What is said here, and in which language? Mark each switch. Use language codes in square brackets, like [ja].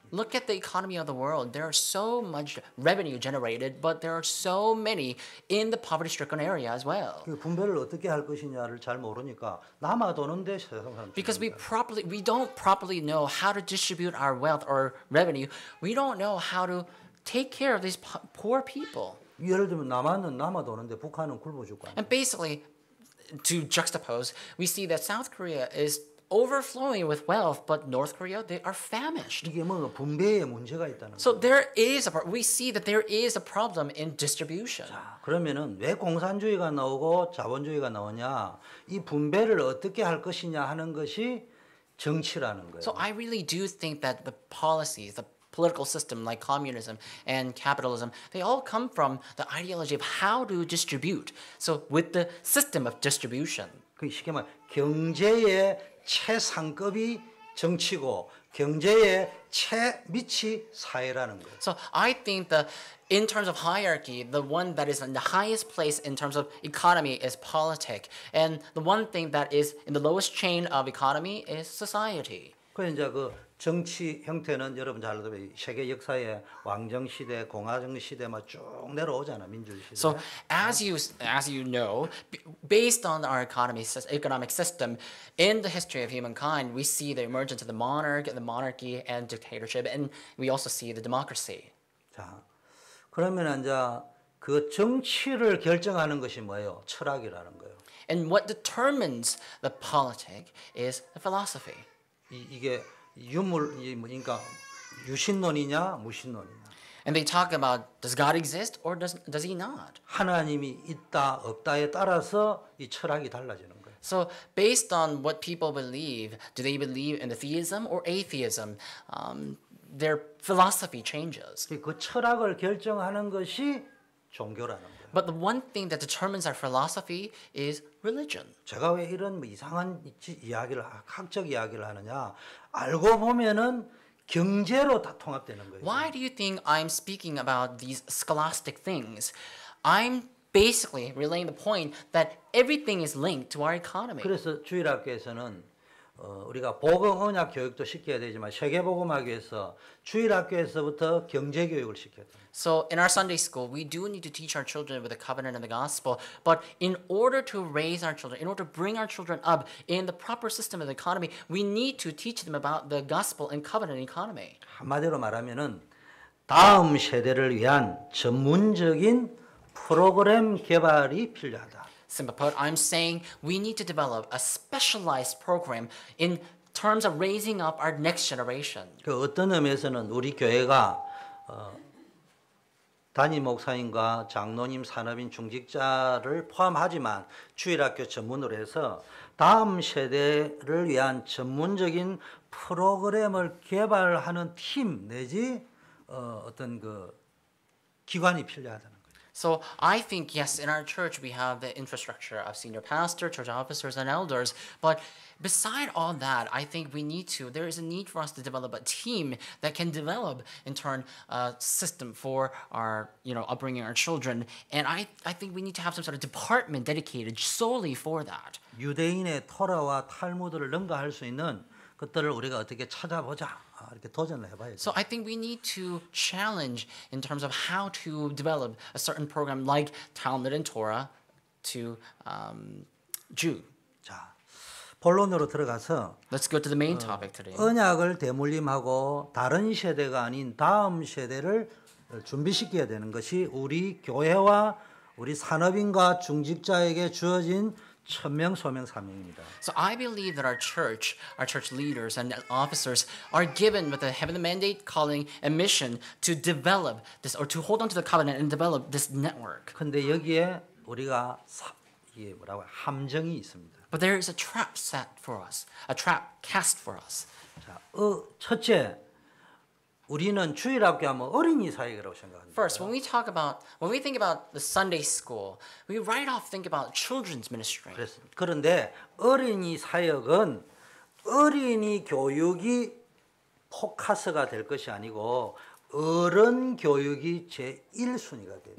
[en] Look at the economy of the world. There are so much revenue generated, but there are so many in the poverty-stricken area as well. [ko] 그 분배를 어떻게 할 것이냐를 잘 모르니까 남아도는데 세상 사람 죽는다. [en] Because we don't properly know how to distribute our wealth or revenue. We don't know how to take care of these poor people. [ko] 예를 들면 남한은 남아도는데 북한은 굶어 죽고. [en] And basically, to juxtapose, we see that South Korea is overflowing with wealth, but North Korea, they are famished. [ko] 이게 뭐 분배의 문제가 있다는. [en] So there is a part. We see that there is a problem in distribution. [ko] 자, 그러면은 왜 공산주의가 나오고 자본주의가 나오냐? 이 분배를 어떻게 할 것이냐 하는 것이 정치라는 거예요. [en] So I really do think that the policies, the political system like communism and capitalism, they all come from the ideology of how to distribute. So with the system of distribution. [ko] 그 쉽게 말 경제의 최상급이 정치고 경제의 최밑이 사회라는 거예요. [en] So I think that in terms of hierarchy, the one that is in the highest place in terms of economy is politics, and the one thing that is in the lowest chain of economy is society. [ko] 그럼 이제 그 정치 형태는 여러분 잘 알다시피 세계 역사에 왕정 시대, 공화정 시대 막 쭉 내려오잖아 민주주의 시대. [en] So as you know, based on our economic system, in the history of humankind, we see the emergence of the monarch, the monarchy, and dictatorship, and we also see the democracy. [ko] 자, 그러면 이제 그 정치를 결정하는 것이 뭐예요? 철학이라는 거예요. [en] And what determines the politic is the philosophy. [ko] 이게 유물 이 뭐니까 유신론이냐 무신론이냐. [en] And they talk about does God exist or does he not? [ko] 하나님이 있다 없다에 따라서 이 철학이 달라지는 거예요. [en] So based on what people believe, do they believe in the theism or atheism? Their philosophy changes. [ko] 그 철학을 결정하는 것이 종교라는 거예요. [en] But the one thing that determines our philosophy is religion. [ko] 제가 왜 이런 뭐 이상한 이야기를 학적 이야기를 하느냐? 알고 보면은 경제로 다 통합되는 거예요. [en] Why do you think I'm speaking about these scholastic things? I'm basically relaying the point that everything is linked to our economy. [ko] 그래서 주일학교에서는 우리가 복음 언약 교육도 시켜야 되지만 세계 복음하기 위해서 주일학교에서부터 경제 교육을 시켜야 돼요. [en] So in our Sunday school, we do need to teach our children with the covenant and the gospel. But in order to raise our children, in order to bring our children up in the proper system of the economy, we need to teach them about the gospel and covenant economy. [ko] 한마디로 말하면은 다음 세대를 위한 전문적인 프로그램 개발이 필요하다. [en] Simply put, I'm saying we need to develop a specialized program in terms of raising up our next generation. [ko] 그 어떤 의미에서는 우리 교회가 담임 목사님과 장로님 산업인 중직자를 포함하지만 주일학교 전문으로 해서 다음 세대를 위한 전문적인 프로그램을 개발하는 팀 내지 어떤 그 기관이 필요하다. [en] So I think, yes, in our church, we have the infrastructure of senior pastor, church officers, and elders. But beside all that, I think we need to, there is a need for us to develop a team that can develop, in turn, a system for our, you know, upbringing our children. And I think we need to have some sort of department dedicated solely for that. [ko] 유대인의 토라와 탈무드를 능가할 수 있는 것들을 우리가 어떻게 찾아보자. [en] So I think we need to challenge in terms of how to develop a certain program like Talmud and Torah to Jew. [ko] 자, 본론으로 들어가서 [en] Let's go to the main topic today. [ko] 언약을 대물림하고 다른 세대가 아닌 다음 세대를 준비시켜야 되는 것이 우리 교회와 우리 산업인과 중직자에게 주어진 [en] So I believe that our church leaders and officers are given with a heavenly mandate, calling, and mission to develop this, or to hold on to the covenant and develop this network. [ko] 근데 여기에 우리가 이게 뭐라고 함정이 있습니다. [en] But there is a trap set for us, a trap cast for us. [ko] 자, 첫째, 우리는 주일학교 하면 어린이 사역이라고 생각합니다. [en] First, when we talk about, when we think about the Sunday school, we right off think about children's ministry. [ko] 그런데 어린이 사역은 어린이 교육이 포커스가 될 것이 아니고 어른 교육이 제1순위가 돼요.